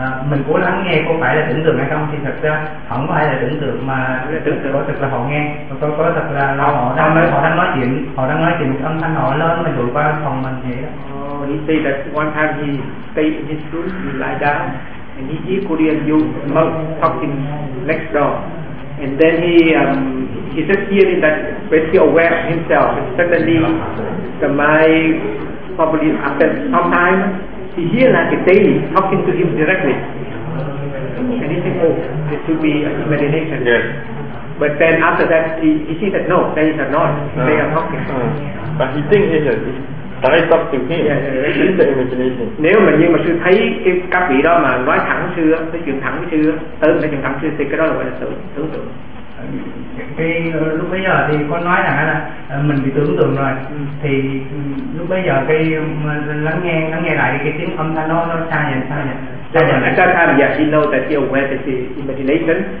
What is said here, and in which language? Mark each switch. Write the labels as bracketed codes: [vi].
[vi] Mình cố lắng nghe có phải là tưởng tượng hay không thì thật ra không phải là tưởng tượng mà tưởng tượng có thật là họ nghe có thật là họ đang nói họ đang nói chuyện âm thanh họ lớn mà vượt qua phòng mình thế. [en] Oh, he said that one time he stayed in his room, he lie down and he couldn't hear you talking next door, and then he just hearing that very aware of himself, and suddenly the mind probably after some time he hear like a daily talking to him directly, and he think, oh, it should be an imagination. Yes. But then after that, he see that no, they are not. They are talking. But he think he just try talk to him. Yeah. It's the imagination. [vi] Nếu mà như mà sư thấy cái các vị đó mà nói thẳng sư, nói chuyện thẳng sư, tới nói chuyện thẳng sư thì cái đó là gọi là tưởng tượng. Cái lúc bấy giờ thì có nói rằng là mình bị tưởng tượng rồi, thì lúc bấy giờ cái lắng nghe lại cái tiếng âm thanh nó xa dần. [en] At that time, yeah, he know that he aware that the imagination.